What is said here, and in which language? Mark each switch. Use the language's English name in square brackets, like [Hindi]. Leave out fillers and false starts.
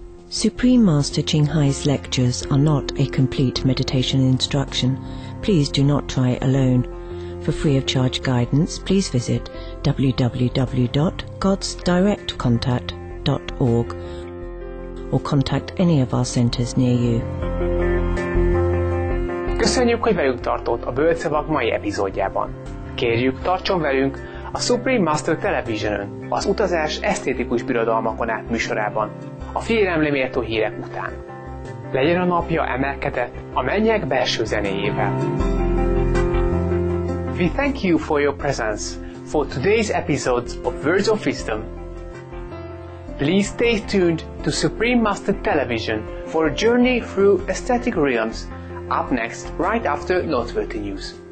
[English] Supreme Master Qinghai's lectures are not a complete meditation instruction. Please do not try it alone. For free of charge guidance, please visit www.godsdirectcontact.org or contact any of our centers near you. [Hungarian] Köszönjük, hogy velünk tartott a Bölcsevak mai epizódjában. Kérjük, tartson velünk a Supreme Master Televisionön, az utazás esztétikus birodalmakon át műsorában. A figyelemre méltó hírek után. Legyen a napja emelkedett a mennyek belső zenéjével. [English] We thank you for your presence for today's episode of Words of Wisdom. Please stay tuned to Supreme Master Television for a journey through aesthetic realms up next right after noteworthy news.